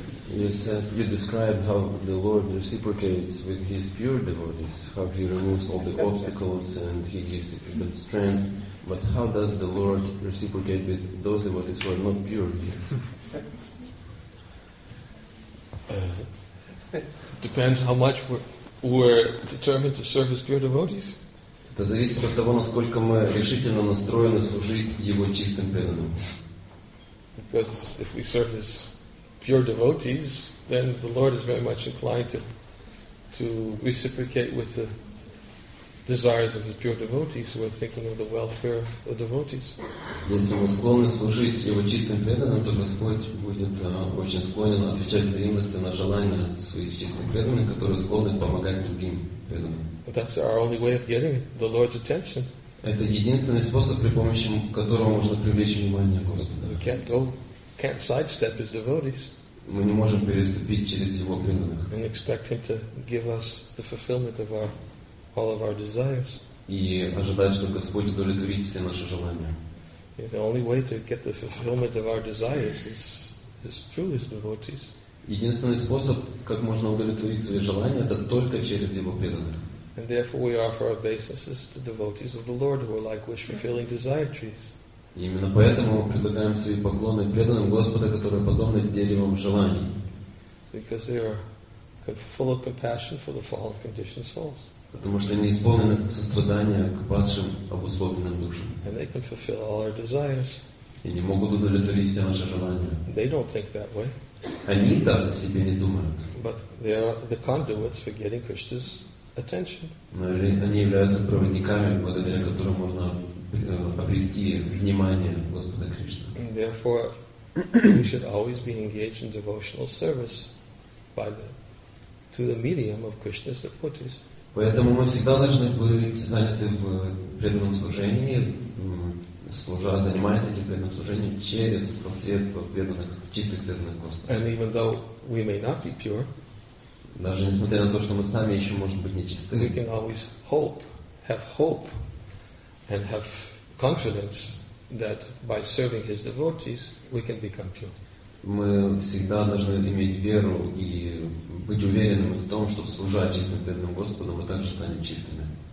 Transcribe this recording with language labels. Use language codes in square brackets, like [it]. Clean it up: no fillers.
[en] You said, you described how the Lord reciprocates with his pure devotees, how he removes all the obstacles and he gives them strength. But how does the Lord reciprocate with those devotees who are not pure yet? Depends how much we're determined to serve his pure devotees. [ru] Это зависит от того, насколько мы решительно настроены служить Его чистым преданным. [en] Because if we serve His pure devotees, then the Lord is very much inclined to reciprocate with the desires of His pure devotees who are thinking of the welfare of the devotees. [ru] Если мы склонны служить Его чистым преданным, то Господь будет очень склонен отвечать взаимностью на желания своих чистых преданных, которые склонны помогать другим преданным. [en] But that's our only way of getting the Lord's attention. [ru] Это единственный способ, при помощи которого можно привлечь внимание Господа. [en] We can't sidestep His devotees. [ru] Мы не можем переступить через Его преданных. [en] And expect Him to give us the fulfillment of all of our desires. [ru] И ожидать, что Господь удовлетворит все наши желания. [en] Yeah, the only way to get the fulfillment of our desires is through His devotees. [ru] Единственный способ, как можно удовлетворить свои желания, это только через Его преданных. [en] And therefore we offer our obeisances to devotees of the Lord who are like wish-fulfilling desire trees. [ru] Именно поэтому мы предлагаем свои поклоны преданным Господа, которые подобны деревам желаний. [en] Because they are full of compassion for the fallen conditioned souls. [ru] Потому что они исполнены сострадания к падшим обусловленным душам. [en] And they can fulfill all our desires. [ru] И они могут удовлетворить все наши желания. [en] They don't think that way. [ru] Они так о себе не думают. [en] But they are the conduits for getting Krishna's attention. [ru] Но они являются проводниками, благодаря которым можно обрести внимание Господа Кришны. [en] And therefore, we should always be engaged in devotional service by through the medium of Krishna's devotees. [ru] Поэтому мы всегда должны быть заняты в преданном служении, занимаясь этим преданным служением через посредство чистых преданных Господа. [en] And even though we may not be pure, [ru] даже несмотря на то, что мы сами еще можем быть нечисты, [en] we can always have hope and have confidence that by serving His devotees we can become pure. [ru] Мы всегда должны иметь веру и быть уверенным в том, что служа чистым преданным Господу, мы также станем чистыми.